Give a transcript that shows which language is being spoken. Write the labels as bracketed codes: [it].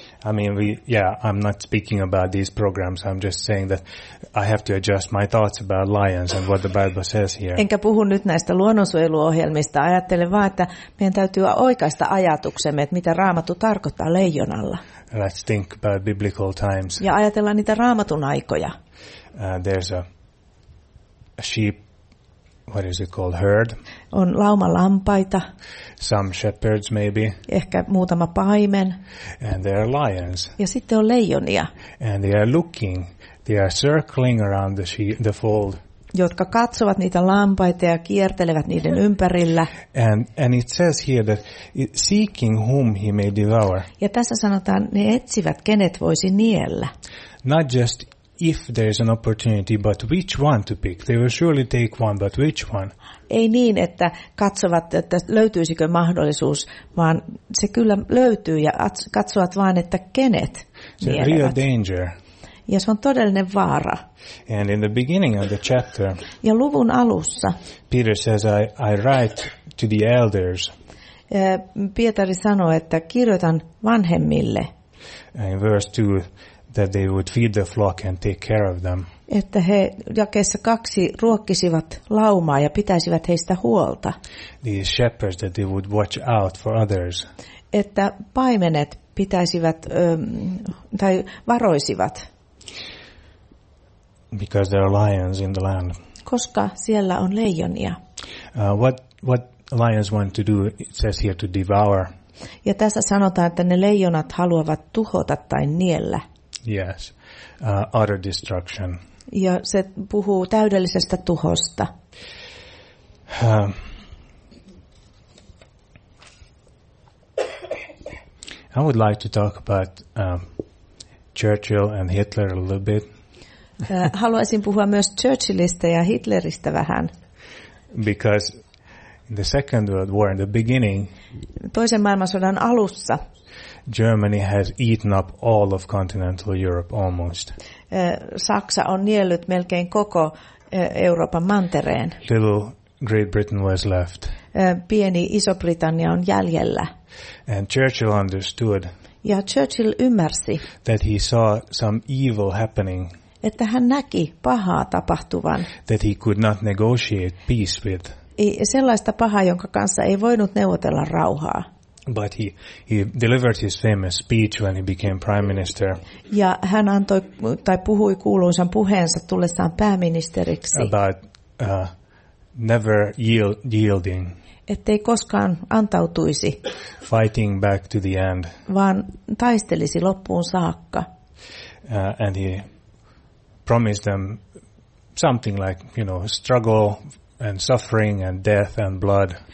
[en] I mean, I'm not speaking about these programs. I'm just saying that I have to adjust my thoughts about lions and what the Bible says here. [fi] Enkä puhu nyt näistä luonnonsuojeluohjelmista. Ajattelen vaan, että meidän täytyy oikaista ajatuksemme, että mitä Raamattu tarkoittaa leijonalla. [en] Let's think about biblical times. [fi] Ja ajatellaan niitä Raamatun aikoja. [en] There's a sheep. What is it called? Herd? [fi] On lauma lampaita. [en] Some shepherds maybe. [fi] Ehkä muutama paimen. [en] And there are lions. [fi] Ja sitten on leijonia. [en] And they are looking. They are circling around the fold. [fi] Jotka katsovat niitä lampaita ja kiertelevät niiden ympärillä. [en] And it says here that seeking whom he may devour. [fi] Ja tässä sanotaan, ne etsivät kenet voisi niellä. [en] Not just if there is an opportunity, but which one to pick? They will surely take one, but which one? [fi] Ei niin, että katsovat, että löytyisikö mahdollisuus, vaan se kyllä löytyy ja katsovat vain, että kenet mielevät. [en] Real danger. [fi] Ja se on todellinen vaara. [en] And in the beginning of the chapter, [fi] ja luvun alussa, [en] Peter says, I write to the elders. [fi] Pietari sanoo, että kirjoitan vanhemmille. [en] In verse 2, that they would feed the flock and take care of them. [fi] Että he jakeessa kaksi ruokkisivat laumaa ja pitäisivät heistä huolta. [en] These shepherds, that they would watch out for others. [fi] Että paimenet pitäisivät tai varoisivat. [en] Because there are lions in the land. [fi] Koska siellä on leijonia. [en] What lions want to do, it says here, to devour. [fi] Ja tässä sanotaan, että ne leijonat haluavat tuhota tai niellä. [en] Yes, utter destruction. [fi] Ja se puhuu täydellisestä tuhosta. [en] I would like to talk about Churchill and Hitler a little bit. [fi] Haluaisin puhua myös Churchillista ja Hitleristä vähän. [en] Because in the Second World War, in the beginning, [fi] toisen maailmansodan alussa, [en] Germany has eaten up all of continental Europe almost. [fi] Saksa on niellyt melkein koko Euroopan mantereen. [en] Little Great Britain was left. [fi] Pieni Iso-Britannia on jäljellä. [en] And Churchill understood. [fi] Ja Churchill ymmärsi, [en] that he saw some evil happening. [fi] Että hän näki pahaa tapahtuvan. [en] That he could not negotiate peace with. [fi] Sellaista pahaa, jonka kanssa ei voinut neuvotella rauhaa. [en] But he delivered his famous speech when he became prime minister. [fi] Ja hän antoi tai puhui kuuluisan sen puheensa tullessaan pääministeriksi. [en] About never yielding. [fi] Ettei koskaan antautuisi. [en] Fighting back to the end. [fi] Vaan taistelisi loppuun saakka. [en] And he promised them something like, you know, struggle and suffering and death and blood.